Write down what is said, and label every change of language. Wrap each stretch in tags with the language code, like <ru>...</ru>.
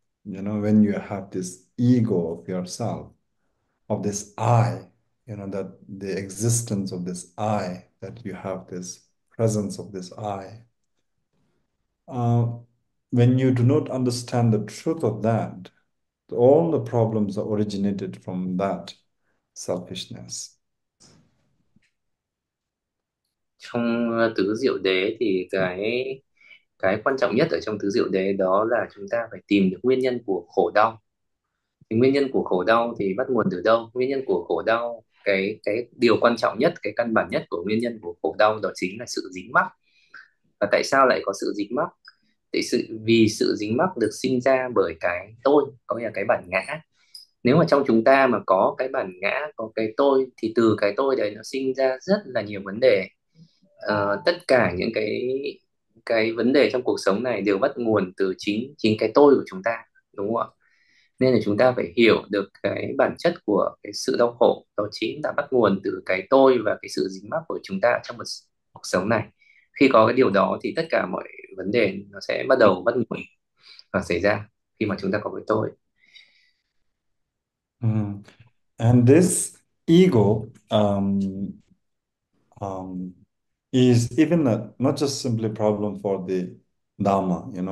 <en>When you have this ego of yourself, of this I, that the existence of this I, that you have this presence of this I. When you do not understand the truth of that, all the problems are originated from that selfishness.</en> <vi>Trong tứ diệu đế thì cái quan trọng nhất ở trong tứ diệu đế đó là chúng ta phải tìm được nguyên nhân của khổ đau. Thì nguyên nhân của khổ đau thì bắt nguồn từ đâu? Nguyên nhân của khổ đau, cái điều quan trọng nhất, cái căn bản nhất của nguyên nhân của khổ đau đó chính là sự dính mắc. Và tại sao lại có sự dính mắc? Vì sự dính mắc được sinh ra bởi cái tôi, có nghĩa là cái bản ngã. Nếu mà trong chúng ta mà có cái bản ngã, có cái tôi thì từ cái tôi đấy nó sinh ra rất là nhiều vấn đề. Tất cả những cái vấn đề trong cuộc sống này đều bắt nguồn từ chính chính cái tôi của chúng ta, đúng không ạ? Nên là chúng ta phải hiểu được cái bản chất của cái sự đau khổ đó chính là bắt nguồn từ cái tôi và cái sự dính mắc của chúng ta trong một cuộc sống này. Khi có cái điều đó thì tất cả mọi vấn đề nó sẽ bắt đầu bắt nguồn và xảy ra khi mà chúng ta có cái tôi.</vi> <en>And this ego is even not just simply a problem for the Dharma.</en>